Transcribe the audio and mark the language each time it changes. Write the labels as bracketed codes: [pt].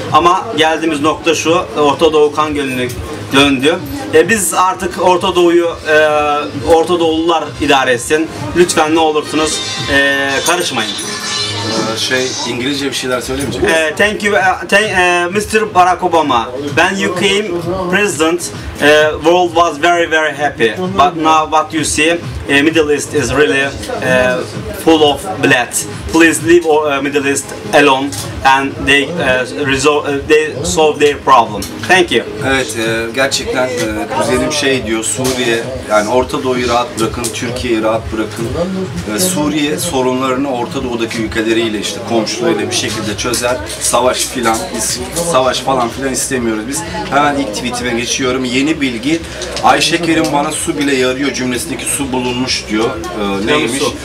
[tr] Ama geldiğimiz nokta şu, Orta Doğu kan gölüne döndü. Biz artık Orta Doğu'yu Orta Doğulular idare etsin. Lütfen ne olursunuz karışmayın. İngilizce bir şeyler söyleyeyim mi? [en] Thank you, Mr. Barack Obama. When you came president, world was very very happy. But now what you see, Middle East is really full of blood. Please leave Middle East alone and they they solve their problem. Thank you. [tr] Evet, gerçekten kuzenim şey diyor, Suriye, yani Orta Doğu'yu rahat bırakın, Türkiye'yi rahat bırakın. Suriye sorunlarını Orta Doğu'daki ülkeleriyle, işte komşularıyla bir şekilde çözer. Savaş filan, savaş falan filan istemiyoruz biz. Hemen ilk tweetime geçiyorum. Yeni bilgi, Ayşe Kerim bana su bile yarıyor cümlesindeki su bulunmuş diyor. Neymiş?